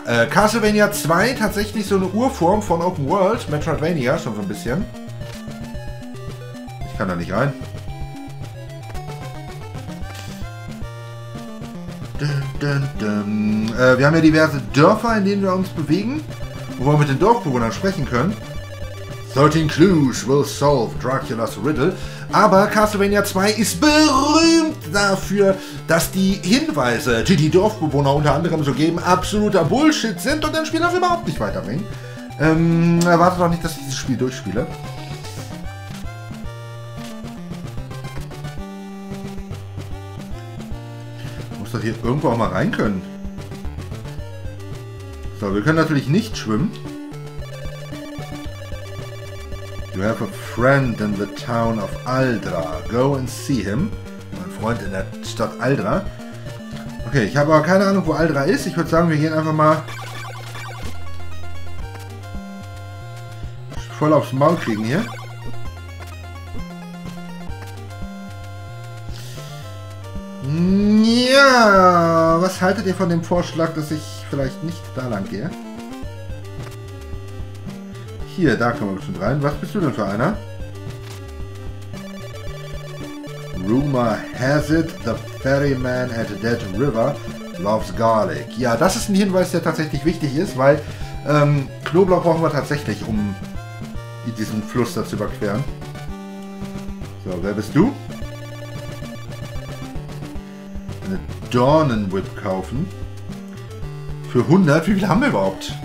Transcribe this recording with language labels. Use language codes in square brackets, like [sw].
[de] Castlevania 2, tatsächlich so eine Urform von Open World, Metroidvania, schon so ein bisschen. Ich kann da nicht rein. Wir haben ja diverse Dörfer, in denen wir uns bewegen, wo wir mit den Dorfbewohnern sprechen können. [en] 13 Clues will solve Dracula's Riddle. [de] Aber Castlevania 2 ist berühmt dafür, dass die Hinweise, die die Dorfbewohner unter anderem so geben, absoluter Bullshit sind und dein Spiel darf überhaupt nicht weiterbringen. Erwarte doch nicht, dass ich dieses Spiel durchspiele. Doch hier irgendwo auch mal rein können. So, wir können natürlich nicht schwimmen. [en] You have a friend in the town of Aldra. Go and see him. [de] Mein Freund in der Stadt Aldra. Okay, ich habe aber keine Ahnung, wo Aldra ist. Ich würde sagen, wir gehen einfach mal voll aufs Maul kriegen hier. Ja, was haltet ihr von dem Vorschlag, dass ich vielleicht nicht da lang gehe? Hier, da kommen wir schon rein. Was bist du denn für einer? [en] Rumor has it, the ferryman at Dead River loves garlic. [de] Ja, das ist ein Hinweis, der tatsächlich wichtig ist, weil Knoblauch brauchen wir tatsächlich, um diesen Fluss da zu überqueren. So, wer bist du? Dornenwhip kaufen. Für 100? Wie viel haben wir überhaupt?